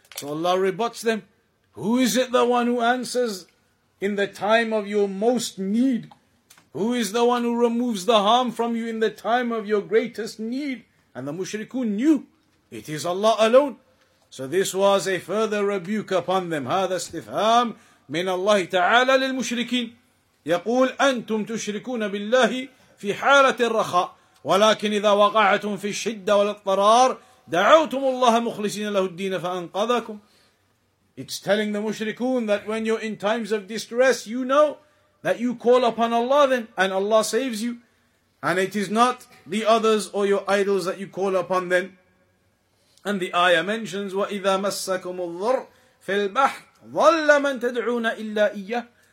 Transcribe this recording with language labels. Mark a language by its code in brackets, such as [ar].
[en] So Allah rebuts them. Who is it, the one who answers in the time of your most need? Who is the one who removes the harm from you in the time of your greatest need? And the mushrikun knew it is Allah alone. So this was a further rebuke upon them. [ar] هذا استفهام من الله تعالى للمشركين. يقول أنتم تشركون بالله في حالة الرخاء ولكن إذا وقعتم في الشدة والاضطرار دعوتم الله مخلصين له الدين فأنقذكم. [en] It's telling the mushrikun that when you're in times of distress, you know that you call upon Allah then, and Allah saves you. And it is not the others or your idols that you call upon then. And the ayah mentions, [ar] وَإِذَا مَسَّكُمُ الضُّرُّ فِي الْبَحْرِ ظَلَّ مَنْ تَدْعُونَ إِلَّا إِيَّهِ.